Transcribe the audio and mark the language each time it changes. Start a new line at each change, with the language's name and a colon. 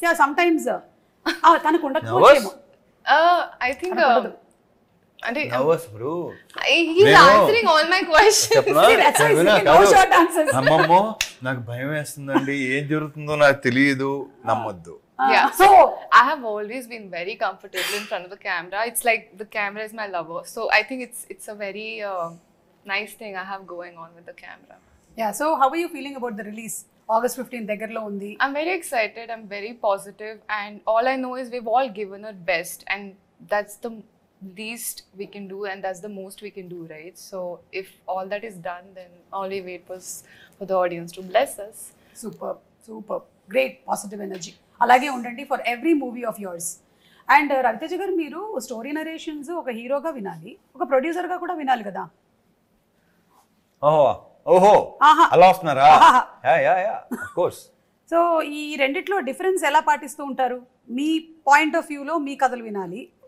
Telugu: Yeah, some times ఆ తనకు ఉండకపోవచ్చేమో.
English: I think అంటే nervous bro. He is answering all my questions. No short answers.
Telugu: అమ్మమ్మో, నాకు భయం వేస్తుందండి, ఏం జరుగుతుందో నాకు తెలియదు, నమ్మొద్దు.
English: Yeah, so I have always been very comfortable in front of the camera. It's like the camera is my lover. So I think it's a very nice thing I have going on with the camera. Yeah, so how are you feeling about the release?
Telugu: August 15th degarlo undi.
English: I'm very excited, I'm very positive, and all I know is we've all given our best, and that's the least we can do and that's the most we can do, right? So if all that is done, then all we wait was for the audience to bless us. Superb, superb, great positive energy.
Telugu: అలాగే ఉండండి
English: For every movie of yours.
Telugu: And Raviteja గారు, మీరు story narrations ఒక హీరోగా వినాలి, ఒక producer గా కూడా వినాలి కదా. ఓహో ఓహో, అలా వస్తున్నారా? Yeah yeah yeah, of course. So ఈ రెండిట్లో డిఫరెన్స్ ఎలా పాటిస్తూ ఉంటారు? మీ పాయింట్ ఆఫ్ వ్యూలో మీ కథలు వినాలి